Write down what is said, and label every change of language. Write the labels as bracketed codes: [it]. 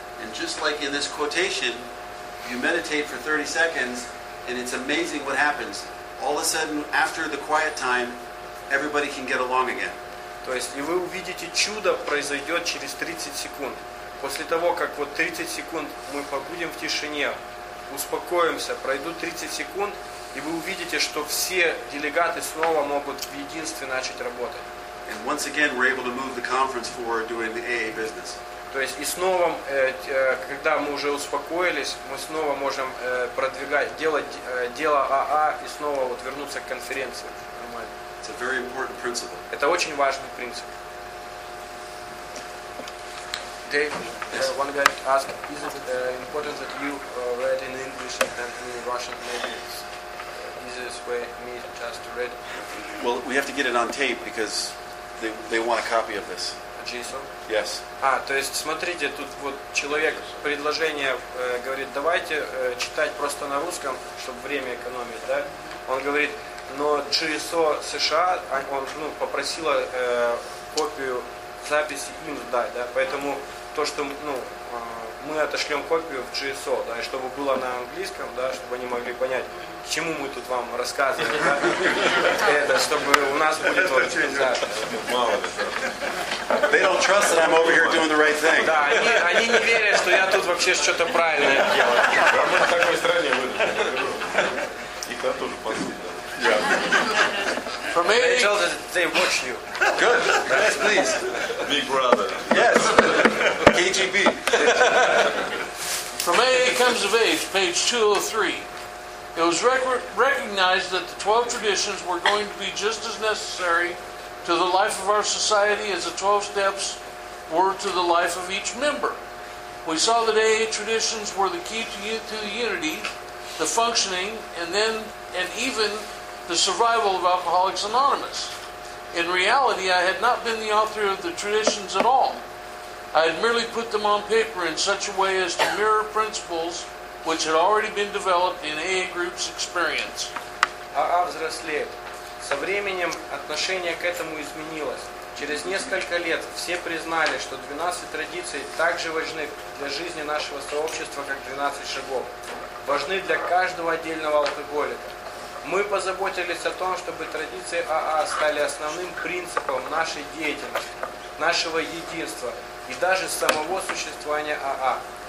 [en] And just like in this quotation, you meditate for 30 seconds, and it's amazing what happens. All of a sudden, after the quiet time, everybody can get along again. [ru] То есть, и вы увидите, чудо произойдет через 30 секунд. После того, как вот 30 секунд мы побудем в тишине, успокоимся, пройдут 30 секунд, и вы увидите, что все делегаты снова могут в единстве начать работать. [en] And once again, we're able to move the conference forward doing the AA business. [ru] То есть и снова, когда мы уже успокоились, мы снова можем продвигать, делать дело АА и снова вот вернуться к конференции. [en] It's a very important principle. [ru] Это очень важный принцип. [en] Dave, one guy asked, is it important that you read in English and in Russian? Maybe it's easiest way for me just to read. Well, we have to get it on tape because they want a copy of this. JSON? Yes. [ru] А, то есть, смотрите, тут вот человек предложение говорит, давайте читать просто на русском, чтобы время экономить, да? Он говорит, но GSO США, он ну, попросила копию записи им дать, да? Поэтому то, что ну, мы отошлем копию в GSO, да, и чтобы было на английском, да, чтобы они могли понять, к чему мы тут вам рассказываем, да? Это, чтобы у нас будет вот запись. [en] They don't trust that I'm over here doing the right thing. [ru] Да, они не верят, что я тут вообще что-то правильное делаю. А мы в такой стране выдали. И там тоже посуда. [en] They tell that they watch you. Good. Yes, please. Big brother. Yes. KGB. From AA Comes of Age, page 203. It was recognized that the 12 traditions were going to be just as necessary to the life of our society as the 12 steps were to the life of each member. We saw that AA traditions were the key to the unity, the functioning, and then and even the survival of Alcoholics Anonymous. In reality, I had not been the author of the traditions at all. I had merely put them on paper in such a way as to mirror principles which had already been developed in AA groups' experience. [ru] AA взрослеет. Со временем отношение к этому изменилось. Через несколько лет все признали, что 12 традиций так же важны для жизни нашего сообщества, как 12 шагов. Важны для каждого отдельного алкоголика. Мы позаботились о том, чтобы традиции АА стали основным принципом нашей деятельности, нашего единства и даже самого существования АА.